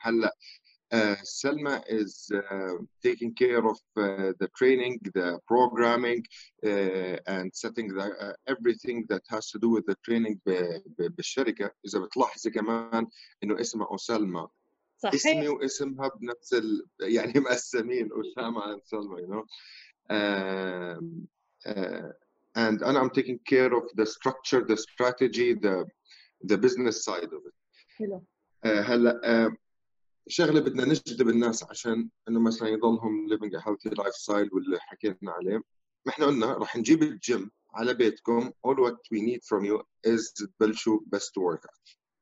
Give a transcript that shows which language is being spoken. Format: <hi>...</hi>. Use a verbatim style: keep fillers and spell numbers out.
<ar>هلا</ar> <en>Uh, Selma is uh, taking care of uh, the training, the programming, uh, and setting the, uh, everything that has to do with the training</en> <ar>ب- ب- بالشركة. إذا بتلاحظي كمان إنه اسمها أسلمى. صحيح. اسمي واسمها بنفس ال... يعني مقسمين أسامة and سلمى,</ar> <en>you know. Uh, uh, and and I'm taking care of the structure, the strategy, the the business side of it.</en> <ar>حلو. Uh, هلا. Uh, شغله بدنا نجذب الناس عشان انه مثلا يضلهم</ar> <en>living a healthy lifestyle</en> <ar>واللي حكينا عليه. ما احنا قلنا رح نجيب الجيم على بيتكم.</ar> <en>all what we need from you is</en> <ar>تبلشوا</ar> <en>best workout.</en>